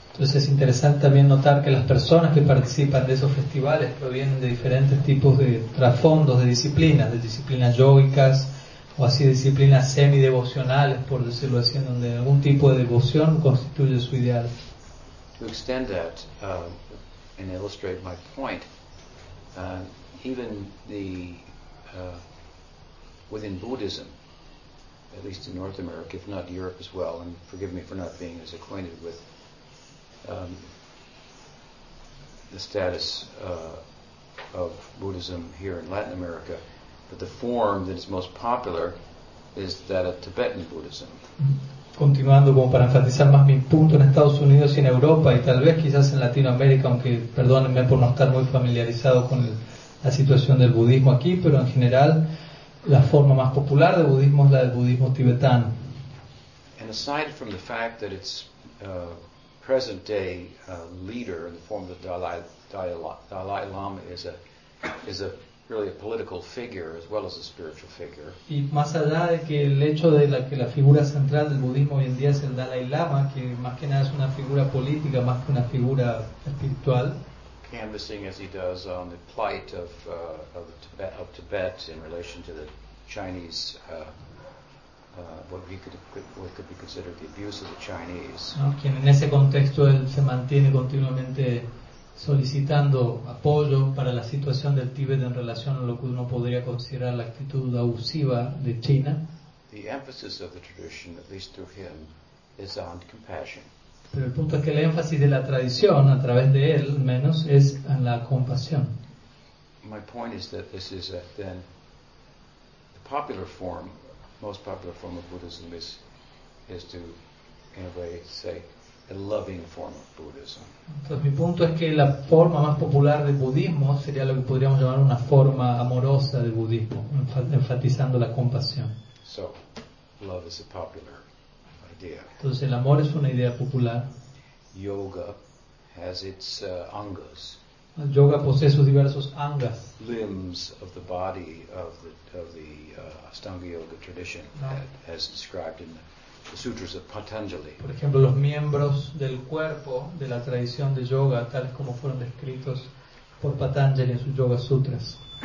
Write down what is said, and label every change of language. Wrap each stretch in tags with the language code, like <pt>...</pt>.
<es>Entonces es interesante también notar que las personas que participan de esos festivales provienen de diferentes tipos de trasfondos, de disciplinas yógicas o así disciplinas semi-devocionales, por decirlo así, donde algún tipo de devoción constituye su ideal.</es> <en>To extend that and illustrate my point, even the within Buddhism, at least in North America, if not Europe as well, and forgive me for not being as acquainted with the status of Buddhism here in Latin America, but the form that is most popular is that of Tibetan Buddhism.</en> <es>Continuando, como para enfatizar más mi punto, en Estados Unidos y en Europa, y tal vez quizás en Latinoamérica, aunque perdónenme por no estar muy familiarizado con la situación del budismo aquí, pero en general, la forma más popular de budismo es la del budismo tibetano.</es> <en>And aside from the fact that it's present day leader in the form of the Dalai Lama is a really a political figure as well as a spiritual figure.</en> <es>Y más allá de que el hecho de que la figura central del budismo hoy en día es el Dalai Lama, que más que nada es una figura política más que una figura espiritual.</es> <en>Canvassing as he does on the plight of Tibet in relation to the Chinese. What could be considered the abuse of the Chinese.</en> <es>No, quien en ese contexto él se mantiene continuamente solicitando apoyo para la situación del Tíbet en relación a lo que uno podría considerar la actitud abusiva de China.</es> <en>The emphasis of the tradition, at least through him, is on compassion.</en> <es>Pero el punto es que el énfasis de la tradición, a través de él, menos, es en la compasión.</es> <en>My point is that this is then the popular form. Most popular form of Buddhism is to, in a way, say, a loving form of Buddhism.</en> <es>Entonces, mi punto es que la forma más popular de budismo sería lo que podríamos llamar una forma amorosa de budismo, enfatizando la compasión.</es> <en>So, love is a popular idea.</en> <es>Entonces, el amor es una idea popular.</es> <en>Yoga has its angas.</en> <es>El yoga posee sus diversos angas.</es> <en>Limbs of the body of the Ashtanga Yoga tradition, as described in the sutras of Patanjali.</en> <es>Por ejemplo, los miembros del cuerpo de la tradición de yoga, tales como fueron descritos por Patanjali en sus Yoga Sutras.</es>